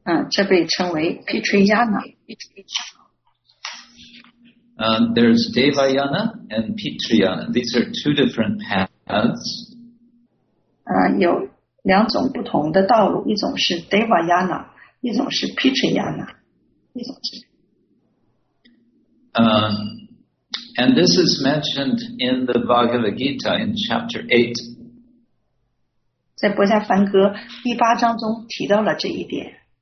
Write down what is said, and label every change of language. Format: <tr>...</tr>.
<zh>这被称为 Pitriyana。</zh> <en>There's Devayana and Pitriyana. These are two different paths.</en> <zh>有两种不同的道路，一种是 Devayana, 一种是 Pitriyana.</zh> <en>And this is mentioned in the Bhagavad Gita in chapter 8.</en> <zh>在《博迦梵歌》第八章中提到了这一点。</zh>